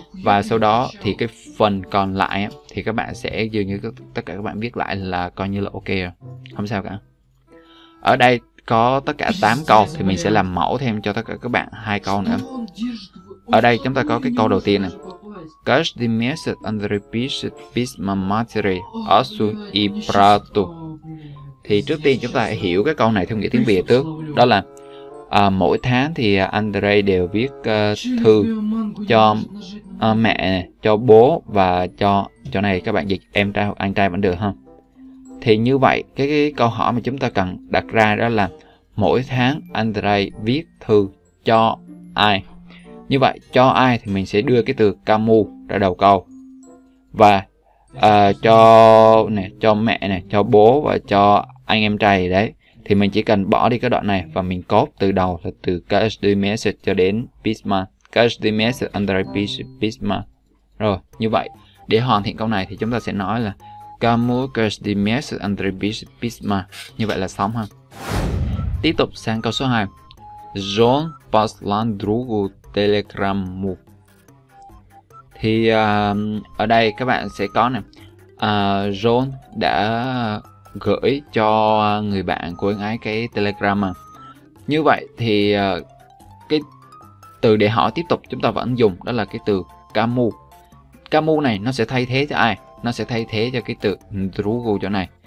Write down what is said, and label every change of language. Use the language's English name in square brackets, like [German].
[Vietnamese] Và sau đó thì cái phần còn lại thì các bạn sẽ dường như tất cả các bạn viết lại là coi như là ok rồi, không sao cả. Ở đây có tất cả 8 câu thì mình sẽ làm mẫu thêm cho tất cả các bạn 2 câu nữa. Ở đây chúng ta có cái câu đầu tiên này. [Russian] Каждый месяц Андрей пишет письма матери Асу и брату. [Vietnamese] Thì trước tiên chúng ta hiểu cái câu này theo nghĩa tiếng Việt trước. Đó là mỗi tháng thì Andrei đều viết thư cho mẹ, cho bố và cho này các bạn dịch em trai hoặc anh trai vẫn được ha. Thì như vậy cái câu hỏi mà chúng ta cần đặt ra đó là mỗi tháng Andrei viết thư cho ai? Như vậy cho ai thì mình sẽ đưa cái từ Camus ra đầu câu và cho nè, cho mẹ nè, cho bố và cho anh em trai đấy, thì mình chỉ cần bỏ đi cái đoạn này và mình copy từ đầu là từ [Russian] каждый месяц [Vietnamese] cho đến [Russian] письма, каждый месяц Andrei пишет письма. [Vietnamese] Rồi như vậy để hoàn thiện câu này thì chúng ta sẽ nói là Camus [Russian] каждый месяц Andrei пишет письма, [Vietnamese] như vậy là xong ha. Tiếp tục sang câu số 2. [Russian] John послал другу телеграмму. [Vietnamese] Thì ở đây các bạn sẽ có nè. John đã gửi cho người bạn của anh ấy cái telegram à. Như vậy thì cái từ để hỏi tiếp tục chúng ta vẫn dùng đó là cái từ Camus. Camus này nó sẽ thay thế cho ai? Nó sẽ thay thế cho cái từ Drugu chỗ này.